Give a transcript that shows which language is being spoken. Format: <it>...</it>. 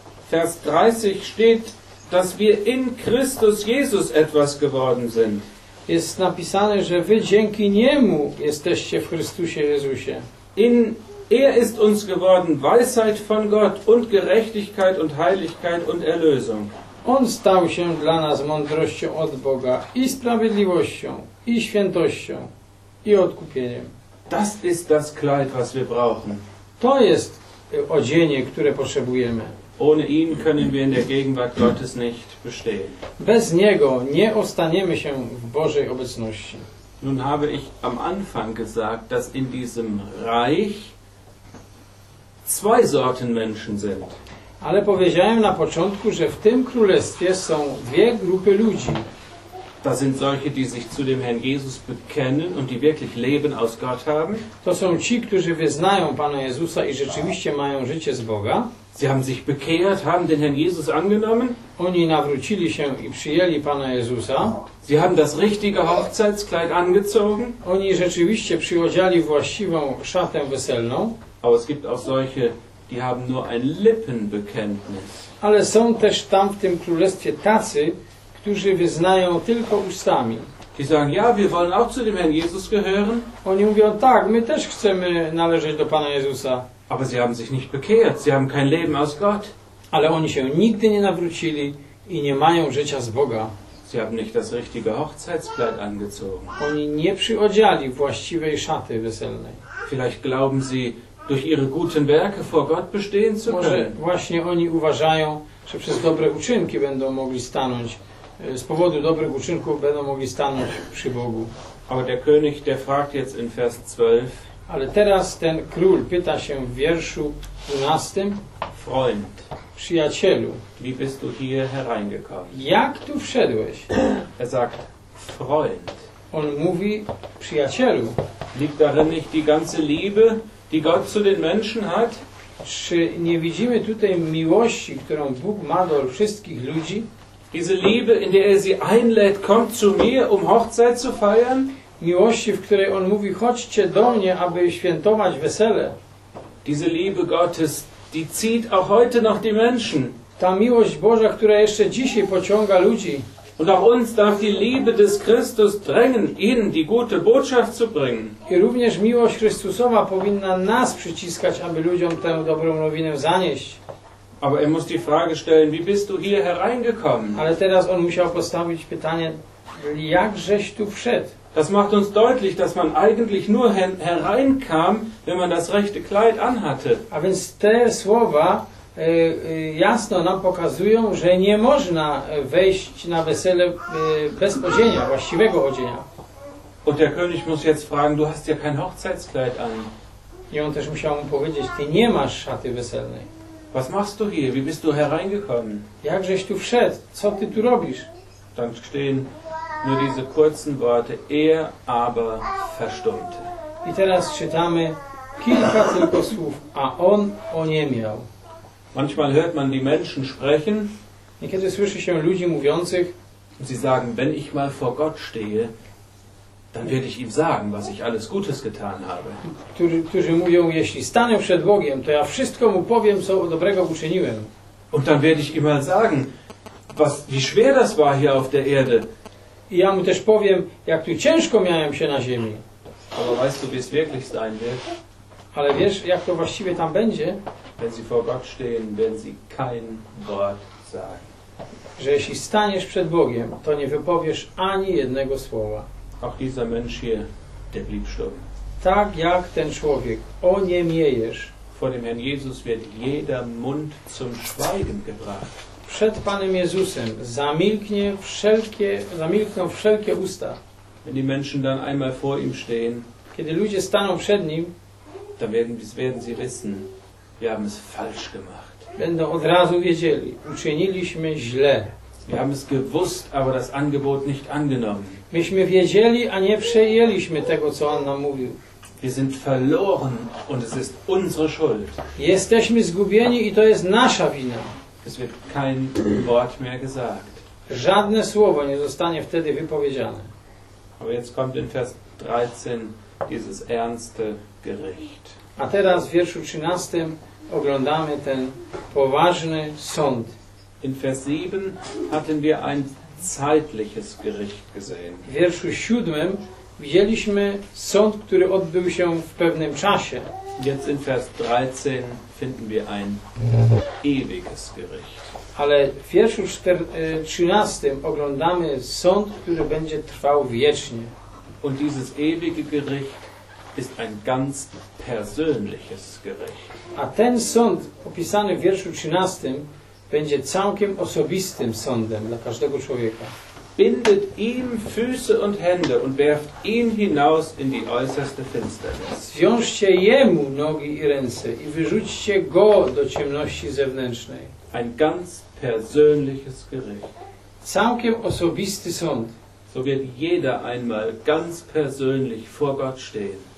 <de>Vers 30 steht, dass wir in Christus Jesus etwas geworden sind.</de> <pl>jest napisane, że wy dzięki niemu jesteście w Chrystusie Jezusie.</pl> <de>Er ist uns geworden Weisheit von Gott und Gerechtigkeit und Heiligkeit und Erlösung.</de> <pl>On stał się dla nas mądrością od Boga i sprawiedliwością i świętością i odkupieniem.</pl> <de>Das ist das Kleid, was wir brauchen.</de> <pl>To jest odzienie, które potrzebujemy.</pl> <de>Ohne ihn können wir in der Gegenwart Gottes nicht bestehen.</de> <pl>Bez niego nie ostaniemy się w Bożej obecności.</pl> <de>Nun habe ich am Anfang gesagt, dass in diesem Reich zwei Sorten Menschen sind.</de> <pl>Ale powiedziałem na początku, że w tym królestwie są dwie grupy ludzi.</pl> <de>Da sind solche, die sich zu dem Herrn Jesus bekennen und die wirklich Leben aus Gott haben.</de> <pl>To są ci, którzy wyznają Pana Jezusa i rzeczywiście mają życie z Boga.</pl> <de>Sie haben sich bekehrt, haben den Herrn Jesus angenommen.</de> <pl>Oni nawrócili się i przyjęli Pana Jezusa.</pl> <de>Sie haben das richtige Hochzeitskleid angezogen.</de> <pl>Oni rzeczywiście przyodziali właściwą szatę weselną.</pl> <de>Aber es gibt auch solche, die haben nur ein Lippenbekenntnis.</de> <pl>Ale są też tam w tym królestwie tacy, którzy wyznają tylko ustami.</pl> <de>Die sagen, ja, wir wollen auch zu dem Herrn Jesus gehören.</de> <pl>Oni mówią, tak, my też chcemy należeć do Pana Jezusa.</pl> <de>Aber sie haben sich nicht bekehrt, sie haben kein Leben aus Gott.</de> <pl>Ale oni się nigdy nie nawrócili i nie mają życia z Boga.</pl> <de>Sie haben nicht das richtige Hochzeitskleid angezogen.</de> <pl>Oni nie przyodziali właściwej szaty weselnej.</pl> <de>Vielleicht glauben sie, durch ihre guten Werke vor Gott bestehen zu können.</de> <pl>Może właśnie oni uważają, że przez dobre uczynki będą mogli stanąć, z powodu dobrych uczynków będą mogli stanąć przy Bogu.</pl> <de>Aber der König, der fragt jetzt in Vers 12.</de> <pl>Ale teraz ten król pyta się w wierszu 12.</pl> <de>Freund.</de> <pl>Przyjacielu.</pl> <de>Wie bist du hier hereingekommen?</de> <pl>Jak tu wszedłeś?</pl> <de>Er sagt, Freund.</de> <pl>On mówi, przyjacielu.</pl> <de>Liegt darin nicht die ganze Liebe, die Gott zu den Menschen hat?</de> <pl>Czy nie widzimy tutaj miłości, którą Bóg ma do wszystkich ludzi?</pl> <de>Diese Liebe, in der er sie einlädt, kommt zu mir, um Hochzeit zu feiern?</de> <pl>Miłości, w której on mówi, chodźcie do mnie, aby świętować wesele.</pl> <de>Diese Liebe Gottes, die zieht auch heute noch die Menschen.</de> <pl>Ta miłość Boża, która jeszcze dzisiaj pociąga ludzi.</pl> <de>Und auch uns darf die Liebe des Christus drängen, ihnen die gute Botschaft zu bringen.</de> <pl>I również miłość Chrystusowa powinna nas przyciskać, aby ludziom tę dobrą nowinę zanieść.</pl> <de>Aber er muss die Frage stellen, wie bist du hier hereingekommen?</de> <pl>Ale teraz on musiał postawić pytanie, jakżeś tu wszedł?</pl> <de>Das macht uns deutlich, dass man eigentlich nur hereinkam, wenn man das rechte Kleid anhatte.</de> <pl>A więc te słowa jasno nam pokazują, że nie można wejść na wesele bez odzienia, właściwego odzienia.</pl> <de>Und der König muss jetzt fragen, du hast ja kein Hochzeitskleid an.</de> <pl>I on też musiał mu powiedzieć, ty nie masz szaty weselnej.</pl> <de>Was machst du hier? Wie bist du hereingekommen?</de> <pl>Jakżeś tu wszedł? Co ty tu robisz?</pl> <de>Dann stehen nur diese kurzen Worte, er aber verstummte.</de> <pl>I teraz czytamy kilka tylko słów, a on oniemiał.</pl> <de>Manchmal hört man die Menschen sprechen.</de> <pl>Niekiedy słyszy się ludzi mówiących.</pl> <de>Und sie sagen, wenn ich mal vor Gott stehe, dann werde ich ihm sagen, was ich alles Gutes getan habe.</de> <pl>Którzy mówią, jeśli stanę przed Bogiem, to ja wszystko mu powiem, co dobrego uczyniłem.</pl> <de>Und dann werde ich ihm mal sagen, was, wie schwer das war hier auf der Erde.</de> <pl>I ja mu też powiem, jak tu ciężko miałem się na ziemi.</pl> <de>Aber weißt du, wie es wirklich sein wird?</de> <pl>Ale wiesz, jak to właściwie tam będzie?</pl> <de>Wenn sie vor Gott stehen, wenn sie kein Wort sagen.</de> <pl>Że jeśli staniesz przed Bogiem, to nie wypowiesz ani jednego słowa.</pl> <de>Auch dieser Mensch hier, der blieb stumm.</de> <pl>Tak jak ten człowiek, oniemiejesz.</pl> <de>Vor dem Herrn Jesus wird jeder Mund zum Schweigen gebracht.</de> <pl>Przed Panem Jezusem zamilkną wszelkie usta.</pl> <de>Wenn die Menschen dann einmal vor ihm stehen,</de> <pl>kiedy ludzie staną przed nim,</pl> <de>dann werden sie wissen, wir haben es falsch gemacht.</de> <pl>Będą od razu wiedzieli, uczyniliśmy źle.</pl> <de>Wir haben es gewusst, aber das Angebot nicht angenommen.</de> <pl>Myśmy wiedzieli, a nie przyjęliśmy tego, co on nam mówił.</pl> <de>Wir sind verloren und es ist unsere Schuld.</de> <pl>Jesteśmy zgubieni i to jest nasza wina.</pl> <de>Es wird kein Wort mehr gesagt.</de> <pl>Żadne słowo nie zostanie wtedy wypowiedziane.</pl> <de>Aber jetzt kommt in Vers 13 dieses ernste Gericht.</de> <pl>A teraz w wierszu 13 oglądamy ten poważny sąd.</pl> <de>In Vers 7 hatten wir ein zeitliches Gericht gesehen.</de> <pl>W wierszu 7 widzieliśmy sąd, który odbył się w pewnym czasie.</pl> <de>Jetzt in Vers 13 finden wir ein ewiges Gericht.</de> <pl>Ale w wierszu 13 oglądamy sąd, który będzie trwał wiecznie.</pl> <de>Und dieses ewige Gericht ist ein ganz persönliches Gericht.</de> <pl>A ten sąd opisany w wierszu 13 będzie całkiem osobistym sądem dla każdego człowieka.</pl> <de>Bindet ihm Füße und Hände und werft ihn hinaus in die äußerste Finsternis.</de> <pl>Zwiążcie jemu nogi i ręce i wyrzućcie go do ciemności zewnętrznej.</pl> <de>Ein ganz persönliches Gericht.</de> <pl>Całkiem osobisty sąd.</pl> <de>So wird jeder einmal ganz persönlich vor Gott stehen.</de>